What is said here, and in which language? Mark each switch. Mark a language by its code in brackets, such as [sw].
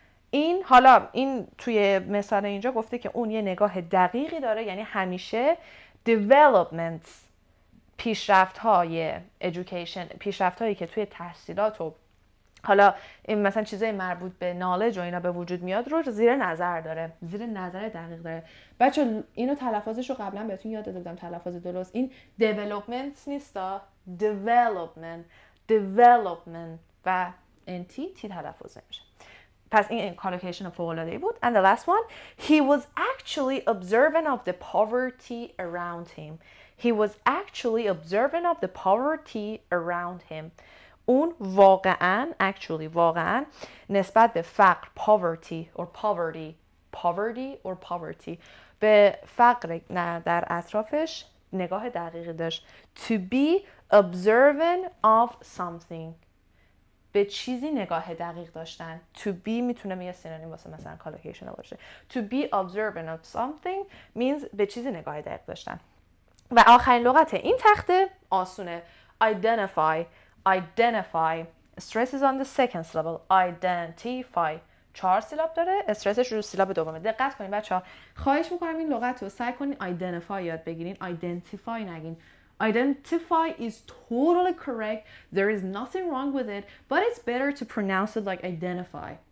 [fa] این حالا این توی مثال اینجا گفته که اون یه نگاه دقیقی داره، یعنی همیشه developments پیشرفت‌های education، پیشرفت‌هایی که توی تحصیلات و حالا این مثلا چیزای مربوط به knowledge و اینا به وجود میاد رو زیر نظر داره، زیر نظر دقیق داره. بچه اینو تلفظش رو قبلا بهتون یاد داده بودم تلفظ درست، این developments نیستا، development، development و NT تی تلفظ میشه. پس این کالوکیشن فوق‌العاده‌ای بود. [en] And the last one. He was actually observant of the poverty around him. He was actually observant of the poverty around him. [fa] اون واقعاً actually واقعاً نسبت به فقر [en] poverty or poverty poverty or poverty [fa] به فقر نه در اطرافش نگاه دقیقی داشت. [en] To be observant of something. [fa] به چیزی نگاه دقیق داشتن. [en] To be [fa] میتونه یه سینونیم واسه مثلا collocation باشه. [en] To be observant of something means [fa] به چیزی نگاه دقیق داشتن. و آخرین لغت این تخته آسونه. [en] Identify. Identify. Stress is on the second syllable. [fa] Identify. 4 سیلاب داره. استرسش رو سیلاب دومه. دقت کنین بچه ها. خواهش میکنم این لغت رو سعی کنین identify یاد بگیرین. [en] Identify [fa] نگین. [en] Identify is totally correct. There is nothing wrong with it, but it's better to pronounce it like identify.